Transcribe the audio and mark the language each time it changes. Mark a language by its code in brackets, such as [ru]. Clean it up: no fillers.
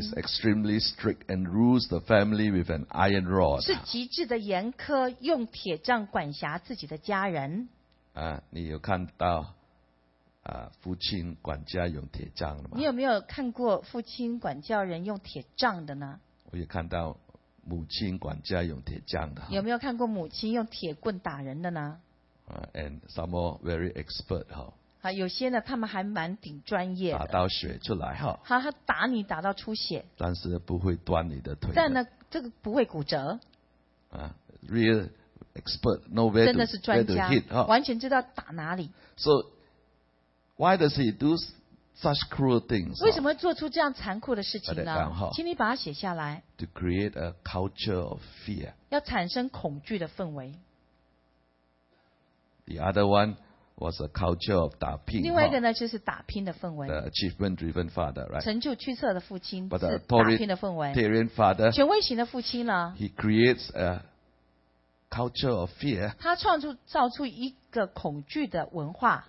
[en] is extremely strict and rules the family with an iron rod. [zh] 是极致的严苛，用铁杖管辖自己的家人。啊，你有看到啊，父亲管家用铁杖的吗？你有没有看过父亲管教人用铁杖的呢？我也看到母亲管家用铁杖的。有没有看过母亲用铁棍打人的呢？ [en] 啊 ，and some more very expert 哈。 [zh] 好，有些呢，他们还蛮顶专业的，打到血出来哈。好，他打你打到出血，但是不会断你的腿的。但呢，这个不会骨折。 [en] 啊 ，real expert know where to [zh] 真的是专家 [en] hit, [zh] 完全知道打哪里。 [en] So why does he do such cruel things? [zh] 为什么做出这样残酷的事情呢？请你把它写下来。 [en] To create a culture of fear. [zh] 要产生恐惧的氛围。 [en] The other one was a culture of 打拼。 [zh] 另外一个呢，就是打拼的氛围。 [en] The achievement-driven father, right? [zh] 成就驱策的父亲。 [en] But the authoritarian father, [zh] 权威型的父亲呢 [en] ？He creates a culture of fear. [zh] 他造出一个恐惧的文化。